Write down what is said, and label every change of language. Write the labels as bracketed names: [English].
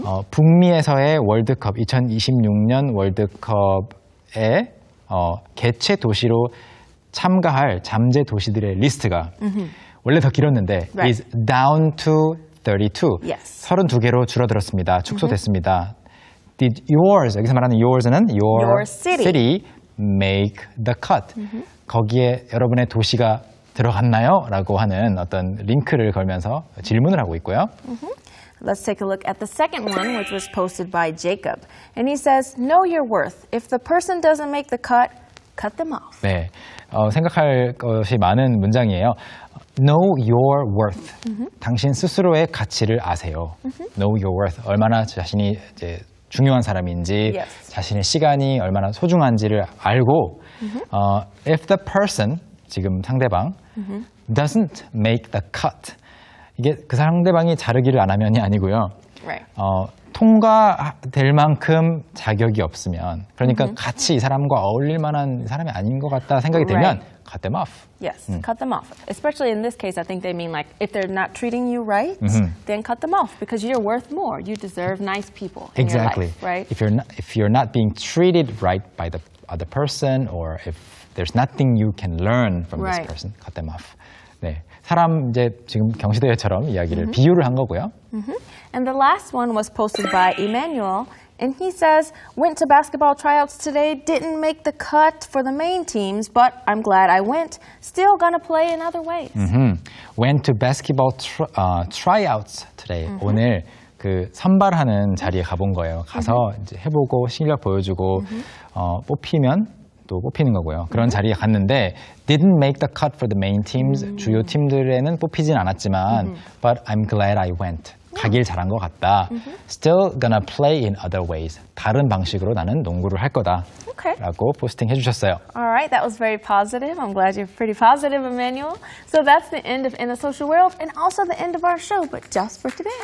[Korean] 북미에서의 월드컵, 2026년 월드컵에 개최 도시로 참가할 잠재 도시들의 리스트가 원래 더 길었는데 is down to 32. [English] Yes. [Korean] 32개로 줄어들었습니다. 축소됐습니다. Did yours, 여기서 말하는 yours는 [English] your city make the cut. [Korean] 거기에 여러분의 도시가 들어갔나요? 라고 하는 어떤 링크를 걸면서 질문을 하고 있고요. [English] Let's take a look at the second one, which was posted by Jacob. And he says, know your worth. If the person doesn't make the cut, cut them off. [Korean] 네, 생각할 것이 많은 문장이에요. [English] Know your worth. [Korean] 당신 스스로의 가치를 아세요. Know your worth. 얼마나 자신이 이제 중요한 사람인지, 자신의 시간이 얼마나 소중한지를 알고, if the person 지금 상대방 doesn't make the cut. 이게 그 상대방이 자르기를 안 하면이 아니고요. 통과될 만큼 자격이 없으면 그러니까 같이 이 사람과 어울릴 만한 사람이 아닌 것 같다 생각이 들면 cut them off. [English] Yes, cut them off. Especially in this case, I think they mean like if they're not treating you right, then cut them off because you're worth more. You deserve nice people. Exactly. Right? If you're not being treated right by the other person or if there's nothing you can learn from this person. Cut them off. [Korean] 네, 사람 이제 지금 경시대회처럼 이야기를 비유를 한 거고요. [English] And the last one was posted by Emmanuel, and he says, went to basketball tryouts today, didn't make the cut for the main teams, but I'm glad I went. Still gonna play in other ways. Went to basketball tryouts today. [Korean] 오늘 그 선발하는 자리에 가본 거예요. 가서 이제 해보고 실력 보여주고 뽑히면 또 뽑히는 거고요. [English] 그런 자리에 갔는데 didn't make the cut for the main teams. [Korean] 주요 팀들에는 뽑히진 않았지만 but I'm glad I went. [English] 가길 잘한 것 같다. Still gonna play in other ways. [Korean] 다른 방식으로 나는 농구를 할 거다. [English] Okay. [Korean] 라고 포스팅 해주셨어요. [English] Alright, that was very positive. I'm glad you're pretty positive, Emmanuel. So that's the end of In the Social World and also the end of our show, but just for today.